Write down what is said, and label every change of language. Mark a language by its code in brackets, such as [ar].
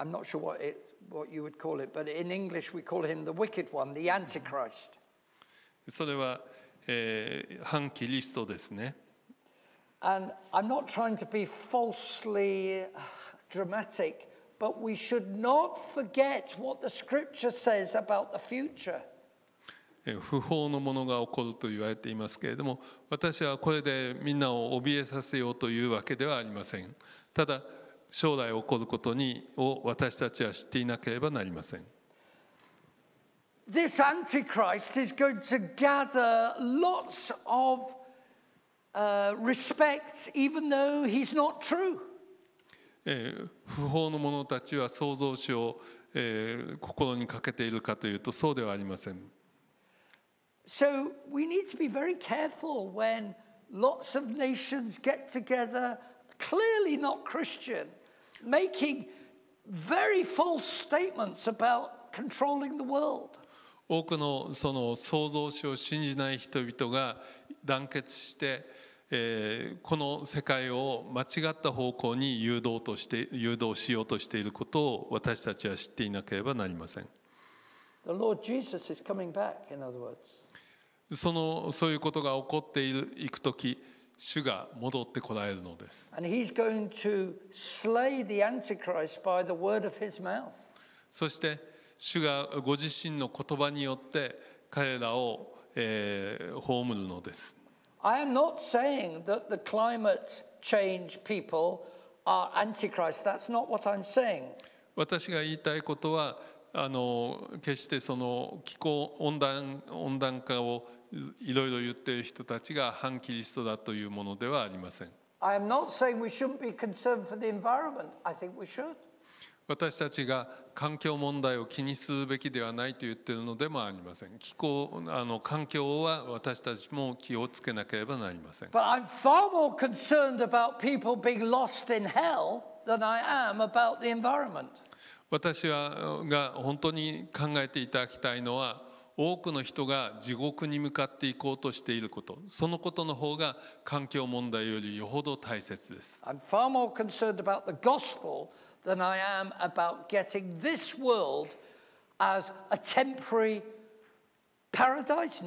[en] I'm not sure what you would call it, but in English we call him the wicked one, the Antichrist. [ja] それは、反キリストですね。 [en] And I'm not trying to be falsely dramatic, but we should not forget what the scripture says about the future. [ja] 不法のものが起こると言われていますけれども、私はこれでみんなを怯えさせようというわけではありません。ただ、将来起こることを私たちは知っていなければなりません。 [en] This Antichrist is going to gather lots of respect, even though he's not true. [ja] 不法の者たちは創造主を心にかけているかというと、そうではありません。 [en] So we need to be very careful when lots of nations get together, clearly not Christian, making very false statements about controlling the world. [ja] 多くのその創造主を信じない人々が団結して、この世界を間違った方向に誘導しようとしていることを私たちは知っていなければなりません。 [en] The Lord Jesus is coming back, in other words. [ja] そういうことが起こっている、いくとき主が戻ってこられるのです。 [en] And he's going to slay the Antichrist by the word of his mouth. [ja] そして主がご自身の言葉によって彼らを、葬るのです。 [en] I am not saying that the climate change people are antichrist. That's not what I'm saying. [ja] 私が言いたいことは、決してその気候温暖化をいろいろ言っている人たちが反キリストだというものではありません。 [en] I am not saying we shouldn't be concerned for the environment. I think we should. [ja] 私たちが環境問題を気にするべきではないと言っているのでもありません。気候環境は私たちも気をつけなければなりません。 [en] But I'm far more concerned about people being lost in hell than I am about the environment. [ja] 私が本当に考えていただきたいのは、多くの人が地獄に向かっていこうとしていること、そのことの方が環境問題よりよほど大切です。 [en] I'm far more concerned about the gospelthan I am about getting this world as a temporary paradise.